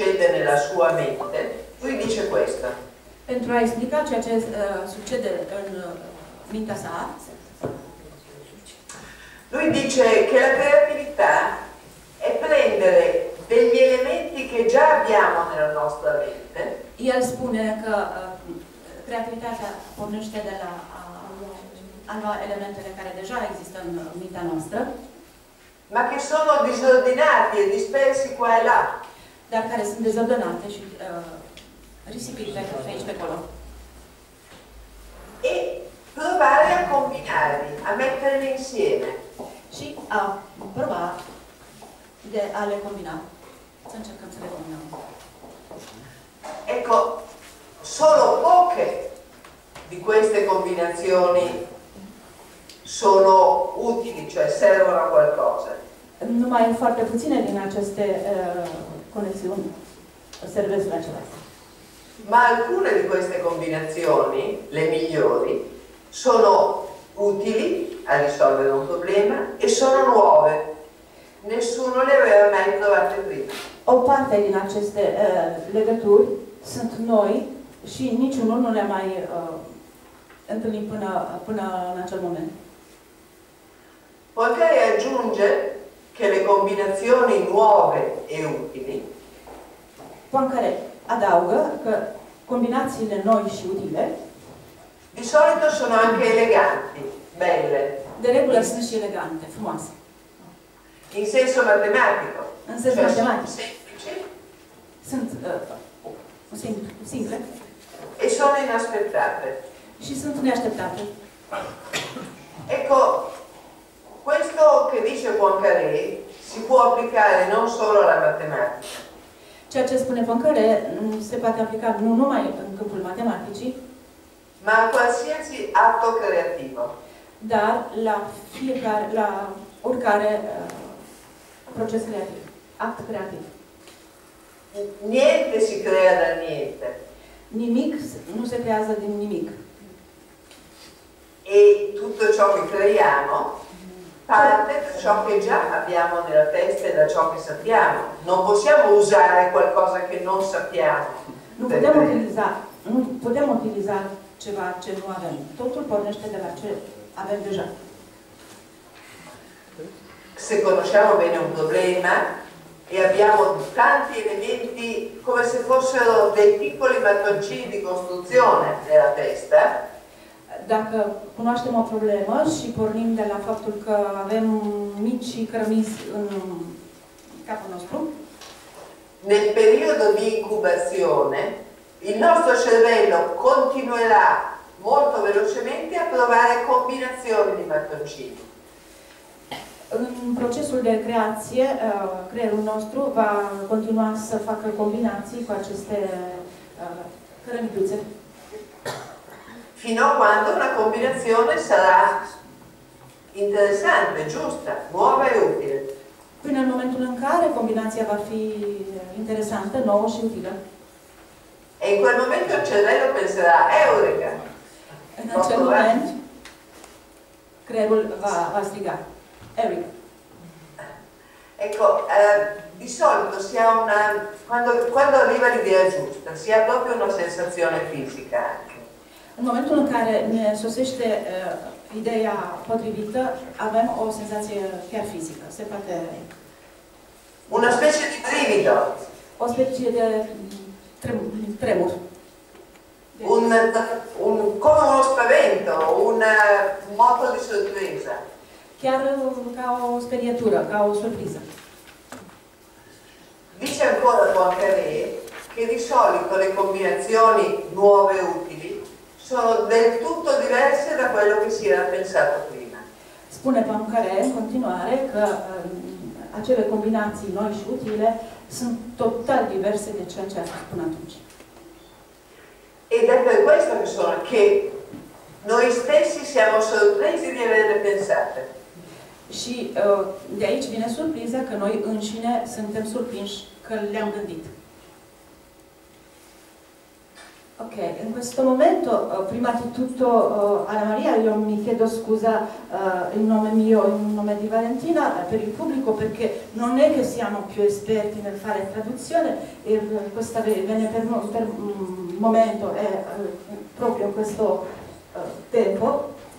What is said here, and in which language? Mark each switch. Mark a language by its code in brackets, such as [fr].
[it] nella sua mente, lui dice questa. [ro] Pentru a explica ceea ce succede în mintea sa. [it] Lui dice che la creatività è prendere degli elementi che già abbiamo nella nostra mente. [ro] El spune că creativitatea pornește de la a lua elementele care deja există în mintea noastră. [it] Ma che sono disordinati e dispersi qua e là. [ro] Dar care sunt dezordonate și risipite aici pe acolo. [it] E provare a combinarli, a metterli insieme. [ro] Și a prova de a le combina. Să încercăm să le combinăm. [it] Ecco, solo poche di queste combinazioni sono utili, cioè servono a qualcosa. [ro] Numai foarte puține din aceste conexiuni servesc la ceva. [it] Ma alcune di queste combinazioni, le migliori, sono utili a risolvere un problema e sono nuove. Nessuno le aveva mai trovate prima. [ro] O parte di queste legature sunt noi și niciunul nu le-a mai întâlnit până în acel moment. [it] Poate aggiunge că le combinazioni nuove e utili. [ro] Poate adaugă că combinațiile noi și utile [it] di solito sono anche eleganti, belle. [ro] De regulă sunt și elegante, frumoase. [it] In senso matematico. [ro] În senso matematic. Sunt [it] semplici. [ro] Sunt simple. [it] E sono inaspettate. [ro] Și sunt neașteptate. [it] Ecco, questo che dice Poincaré si può applicare non solo alla matematica. [ro] Ceea ce spune Poincaré se poate aplica nu numai în câmpul matematicii, [it] ma a qualsiasi atto creativo. [ro] Dar la fiecare, la oricare proces creativ, act creativ. [it] Niente si crea da niente. [ro] Nimic nu se creează din nimic. [it] E tutto ciò che creiamo parte da ciò che già abbiamo nella testa e da ciò che sappiamo. Non possiamo usare qualcosa che non sappiamo. Non possiamo utilizzare [ro] ceva ce nu avem. Totul pornește de la ce avem deja. [it] Se conosciamo bene un problema e abbiamo tanti elementi come se fossero dei piccoli mattoncini di costruzione nella testa. [ro] Dacă cunoaștem o problemă și pornim de la faptul că avem mici cărămizi în capul nostru. [it] Nel periodo di incubazione il nostro cervello continuerà molto velocemente a provare combinazioni di mattoncini. [ro] În procesul de creație, creierul nostru va continua să facă combinații cu aceste cărămiduțe. [it] Fino a quando una combinazione sarà interessante, giusta, nuova e utile. Fino al momento in cui [ro] combinația va fi [it] interessante, nuova și utile. E in quel momento il cervello penserà, eureka! [ro] In acel moment, creierul va striga, eureka! [it] Ecco, di solito si ha una, quando arriva l'idea giusta, si ha proprio una sensazione fisica. [ro] În momentul în care ne sosește ideea potrivită, avem o senzație chiar fizică. Se poate... [it] Una specie di brivido. [ro] O specie de tremur. [it] Un come uno spavento, un moto di sorpresa. [ro] Chiar ca o speriatură, ca o surpriză. [it] Dice ancora Poincaré che di solito le combinazioni nuove e utili sono del tutto diverse da quello che si era pensato prima. [ro] Spune Poincaré, in continuare, che acele combinații noi și utile sunt total diverse de ceea ce a fost până atunci. [it] Ed è per questo che sono, che noi stessi siamo sorpresi di averle pensate. [ro] Și de aici vine surpriza că noi înșine suntem surprinși că le-am gândit. [it] Ok, in questo momento, prima di tutto, Anna Maria, io mi chiedo scusa in nome mio, in nome di Valentina, per il pubblico, perché non è che siamo più esperti nel fare traduzione, e questa viene per un momento, è proprio questo tempo.